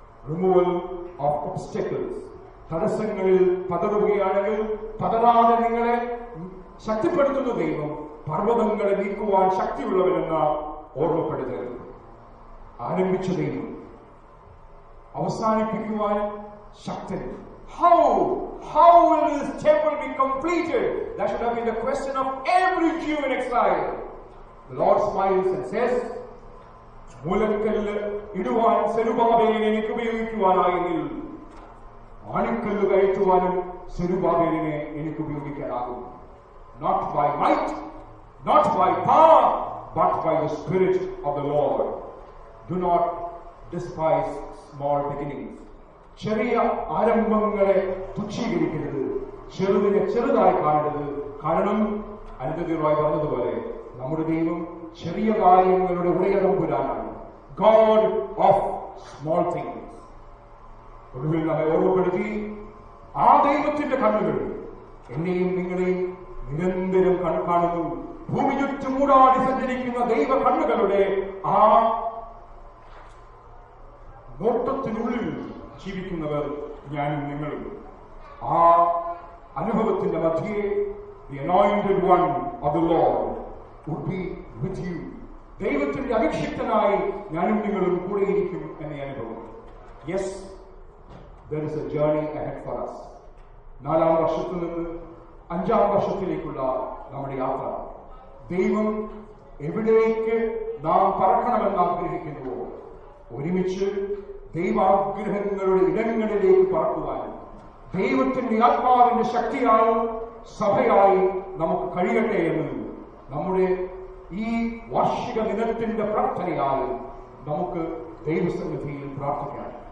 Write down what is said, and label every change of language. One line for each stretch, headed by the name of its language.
English: Removal of obstacles.
Malayalam: തടസ്സങ്ങളിൽ പതറുകയാണെങ്കിൽ പതറാതെ നിങ്ങളെ ശക്തിപ്പെടുത്തുന്ന ദൈവം പർവ്വതങ്ങളെ നീക്കുവാൻ ശക്തിയുള്ളവനെന്ന ഓർമ്മപ്പെടുത്തൽ. ആരംഭിച്ച ദൈവം അവസാനിപ്പിക്കുവാൻ ശക്തൻ.
English: How will this temple be completed? That should have been the question of every Jew in exile. The Lord smiles and says,
Malayalam: മൂലക്കല്ല് ഇടുവാൻ Zerubbabel എനിക്ക് ഉപയോഗിക്കുവാനായെങ്കിൽ ആണിക്കല്ല് കയറ്റുവാനും സെരുബാബേലിനെ എനിക്ക് ഉപയോഗിക്കാനാകും.
English: Not by might, not by power, but by the Spirit of the Lord. Do not despise small beginnings.
Malayalam: ചെറിയ ആരംഭങ്ങളെ തുച്ഛീകരിക്കരുത്, ചെറുതിനെ ചെറുതായി കാണരുത്. കാരണം അനന്തതി റോയ് പറഞ്ഞതുപോലെ നമ്മുടെ ദൈവം ചെറിയ കാര്യങ്ങളുടെ ഉടയതമ്പുരാനാണ്.
English: God of small things.
Malayalam: ഒടുവിൽ നമ്മെ ഓർമ്മപ്പെടുത്തി ആ ദൈവത്തിന്റെ കണ്ണുകൾ എന്നെയും നിങ്ങളെയും നിരന്തരം കണക്കാണുന്നു. ഭൂമി ചുറ്റുമൂടാടി സഞ്ചരിക്കുന്ന ദൈവ കണ്ണുകളുടെ ആ നോട്ടത്തിനുള്ളിൽ ജീവിക്കുന്നവർ ഞാനും നിങ്ങളും. ആ അനുഭവത്തിന്റെ മധ്യേ
English: The anointed one of the Lord would be with you.
Malayalam: ദൈവത്തിന്റെ അഭിഷിക്തനായി ഞാനുണ്ടികളും കൂടെ ഇരിക്കും എന്ന അനുഭവം.
English: Yes, there is a journey ahead for us.
Malayalam: നാലാം വർഷത്തിൽ നിന്ന് അഞ്ചാം വർഷത്തിലേക്കുള്ള നമ്മുടെ യാത്ര. ദൈവം എവിടേക്ക് നാം പറക്കണമെന്ന് ആഗ്രഹിക്കുന്നുവോ ഒരുമിച്ച് ദൈവാഗ്രഹങ്ങളുടെ ഇടങ്ങളിലേക്ക് പറക്കുവാനും ദൈവത്തിന്റെ ആത്മാവിന്റെ ശക്തിയായി സഭയായി നമുക്ക് കഴിയട്ടെ എന്ന് നമ്മുടെ ഈ വാർഷിക ദിനത്തിന്റെ പ്രാർത്ഥനയായി നമുക്ക് ദൈവസന്നിധിയിൽ പ്രാർത്ഥിക്കാം.